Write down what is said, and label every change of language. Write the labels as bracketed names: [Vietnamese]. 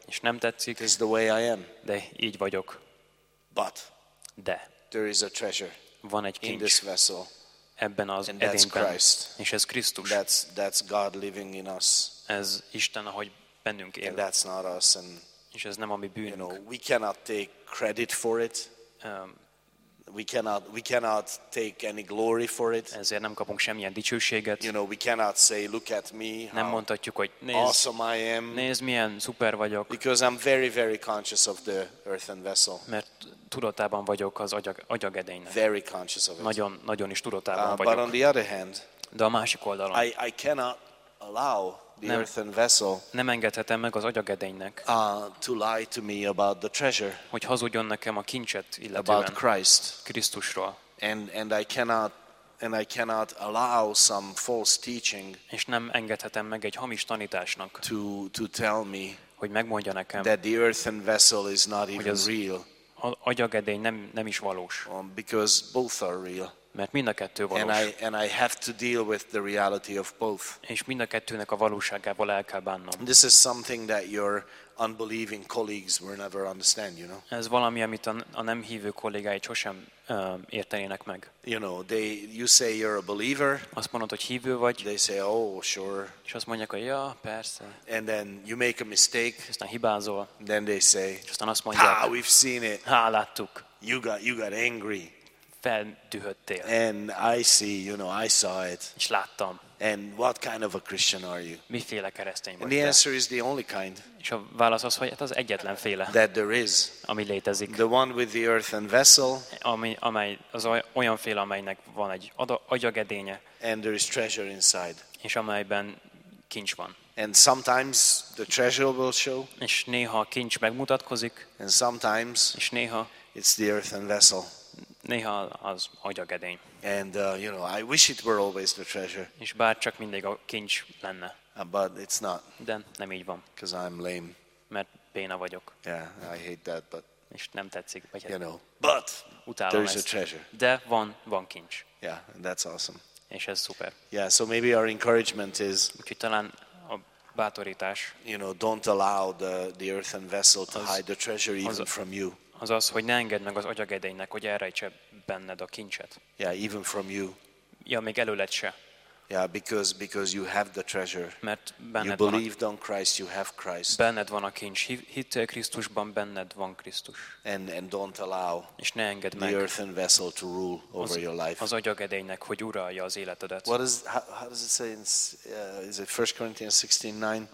[Hungarian] és nem tetszik. [English] This is the way I am. [Hungarian] De így vagyok. [English] But [Hungarian] de [English] there is a treasure. [Hungarian] Van egy kincs. [English] In this vessel. [Hungarian] Ebben az [English] and that's [Hungarian] edényben, [English] Christ. [Hungarian] És ez Krisztus. [English] That's God living in us. [Hungarian] Ez Isten, ahogy bennünk él. [English] And that's not us. And [Hungarian] és ez nem a mi bűnünk. [English] You know, we cannot take credit for it. We cannot take any glory for it. [Hungarian] Ezért nem kapunk semmilyen dicsőséget. [English] You know, we cannot say, look at me. [Hungarian] Nem mondhatjuk, hogy nézd, [English] awesome I am. [Hungarian] Nézd, milyen szuper vagyok. [English] Because I'm very, very conscious of the earthen vessel. [Hungarian] Mert tudatában vagyok az agyagedénynek. [English] Very conscious of it. [Hungarian] Nagyon, nagyon is tudatában vagyok. [English] But on the other hand, [Hungarian] de a másik oldalon, [English] I cannot allow the earthen vessel. [Hungarian] Nem engedhetem meg az agyagedénynek. [English] To lie to me about the treasure. [Hungarian] Hogy hazudjon nekem a kincset illetően. [English] About Christ. [Hungarian] Krisztusról. [English] And I cannot allow some false teaching. [Hungarian] És nem engedhetem meg egy hamis tanításnak. [English] To tell me. [Hungarian] Hogy megmondja nekem. [English] That the earthen vessel is not even real. [Hungarian] Az agyagedény nem is valós. [English] Because both are real. [Hungarian] Mert mind a kettő valós. [English] And I have to deal with the reality of both. [Hungarian] És mind a kettőnek a valóságával el kell bánnom. [English] This is something that your unbelieving colleagues will never understand, you know. [Hungarian] Ez valami, amit a nem hívő kollégái sosem értenének meg. [English] You know, you say you're a believer. [Hungarian] Azt mondod, hogy hívő vagy. [English] They say, oh, sure. [Hungarian] És azt mondják, hogy ja, persze. [English] And then you make a mistake. [Hungarian] És aztán hibázol. [English] Then they say, [Hungarian] és aztán azt mondják, [English] ha, we've seen it. [Hungarian] Ha, láttuk. [English] You got angry. [Hungarian] Feldühöttél. [English] And I see, you know, I saw it. [Hungarian] És láttam. [English] And what kind of a Christian are you? [Hungarian] Miféle keresztény vagy? [English] And the answer is the only kind. [Hungarian] És a válasz az, hogy hát az egyetlen féle. [English] That there is. [Hungarian] Ami létezik. [English] The one with the earthen vessel. [Hungarian] Amely az olyan féle, amelynek van egy agyagedénye. [English] And there is treasure inside. [Hungarian] És amelyben kincs van. [English] And sometimes the treasure will show. [Hungarian] És néha a kincs megmutatkozik. [English] And sometimes. [Hungarian] És néha. [English] It's the earthen vessel. [Hungarian] Néha az agyagedény. [English] And you know, I wish it were always the treasure. [Hungarian] És bár csak mindig a kincs lenne. [English] But it's not. [Hungarian] De nem így van. [English] Because I'm lame. [Hungarian] Mert béna vagyok. [English] Yeah, I hate that, but. [Hungarian] És nem tetszik, vagy [English] you know, but there's [Hungarian] ezt. [English] A treasure. [Hungarian] De van kincs. [English] Yeah, and that's awesome. [Hungarian] És ez szuper. [English] Yeah, so maybe our encouragement is. [Hungarian] Úgyhogy talán a bátorítás. [English] You know, don't allow the earthen vessel to hide the treasure even from you. [Hungarian] Azaz, hogy ne engedd meg az agyagedénynek, hogy elrejtse benned a kincset. [English] Yeah, even from you. [Hungarian] Ja, még előled se. [English] Yeah, because you have the treasure. [Hungarian] Mert benned [English] you believed on Christ, you have Christ. [Hungarian] Benned van a kincs. Hittél Krisztusban, benned van Krisztus. [English] And don't allow. [Hungarian] És ne engedd [English] the [Hungarian] meg. [English] The earthen vessel to rule over your life. [Hungarian] Az agyagedénynek, hogy uralja az életedet. [English] What is how does it say in is it 1 Corinthians 16:9?